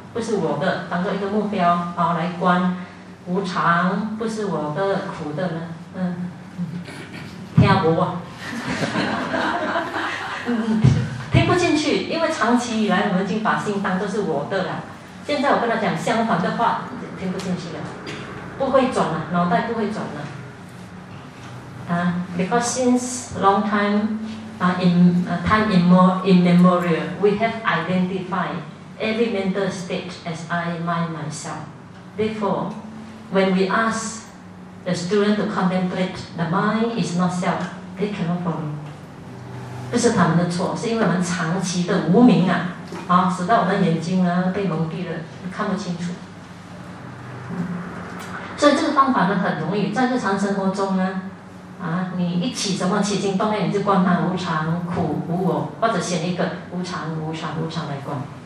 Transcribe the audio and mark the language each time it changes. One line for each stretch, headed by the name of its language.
Chinese: 不是我的，当作一个目标啊来观，无常不是我的，苦的呢，听不啊，听不进去，因为长期以来我们已经把心当作是我的了。现在我跟他讲相反的话，听不进去了，不会转了，脑袋不会转了。
English: Because since long time, time immemorial, we have identified. Every mental state as I mind myself. Therefore, when we ask the student to contemplate the mind is not self, they cannot follow.
Chinese: 不是他们的错，是因为我们长期的无明啊，使得我们眼睛呢被蒙蔽了，看不清楚。所以这个方法呢很容易，在日常生活中呢，你一起什么起心动念，你就观它无常、苦、无我，或者选一个无常、无常、无常来观。